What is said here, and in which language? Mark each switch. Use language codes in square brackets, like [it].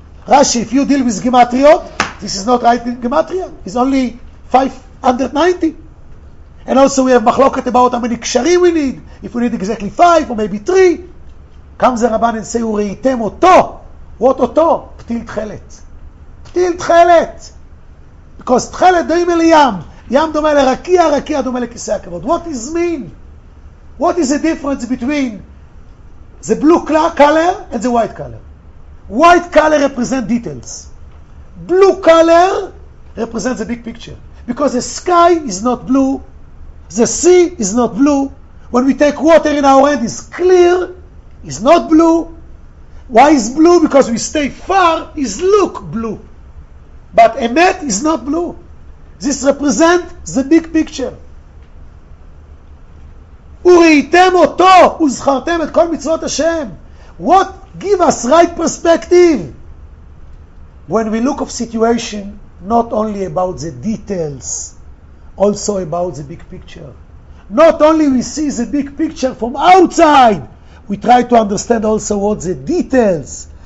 [en] Rashi, if you deal with gematriot, this is not right gematria. It's only 590. And also we have machloket about how many קשרים we need. If we need exactly 5 or maybe 3. Comes the Ramban and say, [he] וראיתם אותו. [en] What [he] אותו? פתיל תחלת. פתיל תחלת. Because תחלת דוים אל ים. ים דומה לרקיע, רקיע דומה לכיסא הכבוד. [en] What is mean? What is the difference between the blue color and the white color? White color represents details. Blue color represents the big picture. Because the sky is not blue. The sea is not blue. When we take water in our hand, it's clear. It's not blue. Why is blue? Because we stay far. It's look blue. But emet is not blue. This represents the big picture. [he] וראיתם אותו, וזכרתם את כל מצוות השם. [en] What give us right perspective? When we look of situation, not only about the details, also about the big picture. Not only we see the big picture from outside, we try to understand also what the details.